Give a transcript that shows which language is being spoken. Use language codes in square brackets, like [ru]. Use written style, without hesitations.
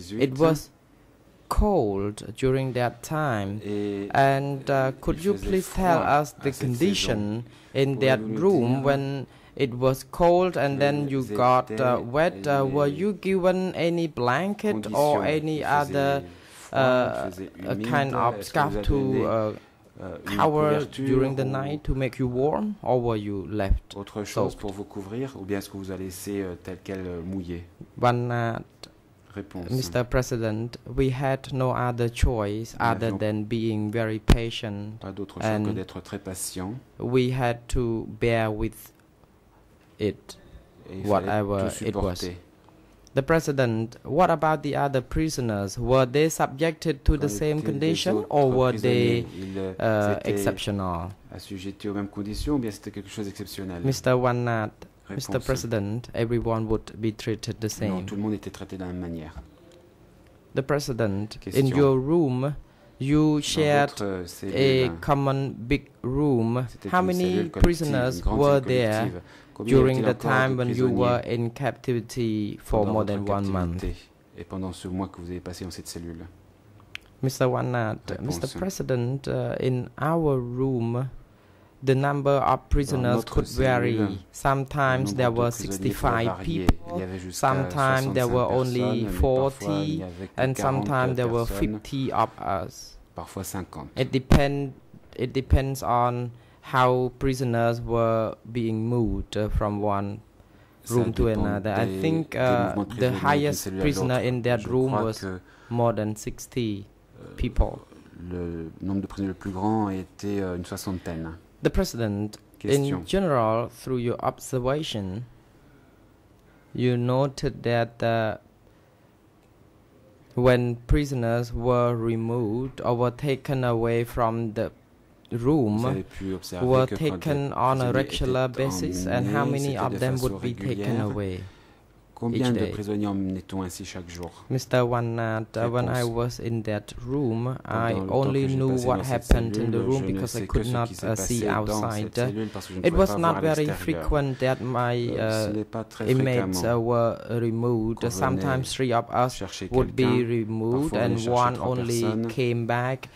[en] It was cold during that time, and could you please tell us the condition in that room when it was cold and then you got wet? Were you given any blanket or any other kind of scarf to cover during the night to make you warm, or were you left [fr] autre chose pour vous couvrir, ou bien est-ce que vous a laissé tel quel mouillé? [en] Mr. President, we had no other choice other than being very patient, [fr] pas d'autre choix que d'être très patient. [en] We had to bear with it, [fr] et [en] whatever it was. The President, what about the other prisoners? Were they subjected to the same condition or were they exceptional? [fr] Assujettis aux mêmes conditions, ou bien c'était quelque chose d'exceptionnel? [en] Mr. Vann Nath, Mr. President, everyone would be treated the same. [fr] Non, tout le monde était traité de la même manière. [en] The President, question. In your room, you shared [fr] cellule, [en] a common big room. [fr] C'était [en] how many prisoners were there during the time when you were in captivity for more than 1 month? [fr] Et pendant ce mois que vous avez passé dans cette cellule? [en] Mr. Vann Nath, Mr. President, in our room, the number of prisoners could vary. Sometimes there were 65 people, sometimes there were only 40, and sometimes there were 50 of us. It depends on how prisoners were being moved from one room to another. I think the highest prisoner in that room was more than 60 people. [fr] Le nombre de prisonniers le plus grand était une soixantaine. [en] The President, question. In general, through your observation, you noted that when prisoners were removed or were taken away from the room, were taken on a regular basis, and how many of them would be taken away? [fr] Combien de prisonniers emmenait-on ainsi chaque jour? [en] Mr. Vann Nath, when I was in that room, I only knew what happened in the room because I could not see outside. It was not very frequent that my inmates were removed. Sometimes three of us would be removed and one only came back.